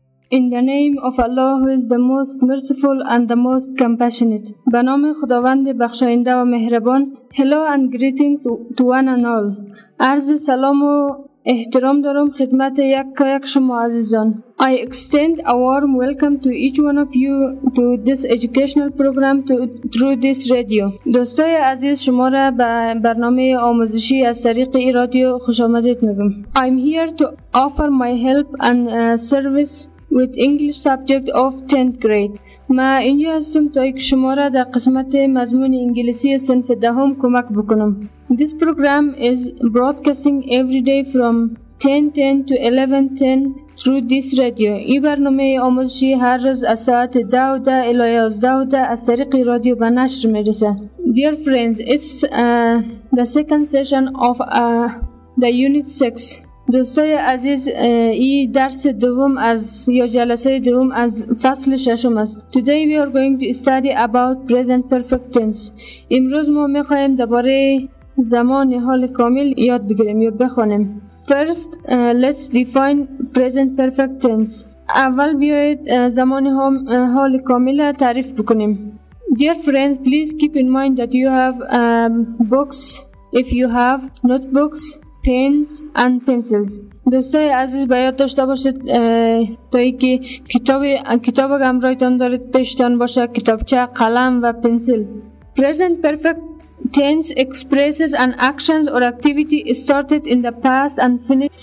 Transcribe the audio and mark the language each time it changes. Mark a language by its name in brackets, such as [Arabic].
[English] In the name of Allah, who is the most merciful and the most compassionate. [Persian] به نام خداوند بخشاینده و مهربان. [English] Hello and greetings to one and all. [Persian] عرض سلام و احترام دارم خدمت یک یک شما عزیزان. [English] I extend a warm welcome to each one of you to this educational program through this radio. [Persian] دوستای عزیز شما را به برنامه آموزشی از طریق این رادیو خوش آمدید میگم. [English] I'm here to offer my help and service with English subject of 10th grade. [Persian] ما اینجا هستم تا یک شما را در قسمت مضمون انگلیسی صنف دهم کمک بکنم. [English] This program is broadcasting every day from 10:10 to 11:10 through this radio. [Persian] این برنامه آموزشی هر روز از ساعت 10:00 الی 11:00 از طریق رادیو به نشر میرسه. [English] Dear friends, it's the second session of the unit 6. [Persian] دوستای عزیز این درس دوم از یا جلسه دوم از فصل ششم است. [English] Today we are going to study about present perfect tense. [Persian] امروز ما میخواییم درباره زمان حال کامل یاد بگیریم یا بخونیم. [English] First, let's define present perfect tense. [Persian] اول بیایید زمان حال کامل تعریف بکنیم. [English] Dear friends, please keep in mind that you have books, if you have notebooks, pens and pencils. [Persian] دوستای عزیز باید داشته باشید تا اینکه کتاب همراهتان دارید پیشتان باشه کتابچه قلم و پنسل. [English] Present perfect tense expresses an action or activity started in the past and finished.